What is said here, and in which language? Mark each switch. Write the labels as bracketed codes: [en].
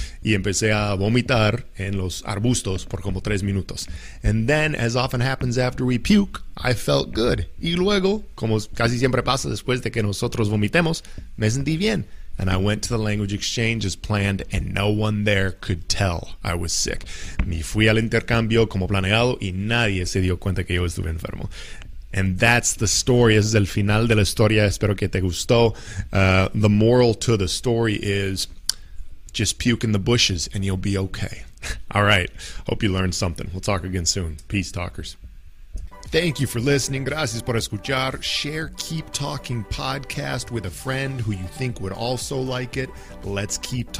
[es] Y empecé a vomitar en los arbustos por como 3 minutos. [en] And then, as often happens after we puke, I felt good. [es] Y luego, como casi siempre pasa después de que nosotros vomitemos, me sentí bien. [en] And I went to the language exchange as planned, and no one there could tell I was sick. [es] Me fui al intercambio como planeado y nadie se dio cuenta que yo estuve enfermo. [en] And that's the story. [es] Ese es el final de la historia. Espero que te gustó. [en] The moral to the story is just puke in the bushes and you'll be okay. All right. Hope you learned something. We'll talk again soon. Peace, talkers. Thank you for listening. [es] Gracias por escuchar. [en] Share Keep Talking podcast with a friend who you think would also like it. Let's keep talking.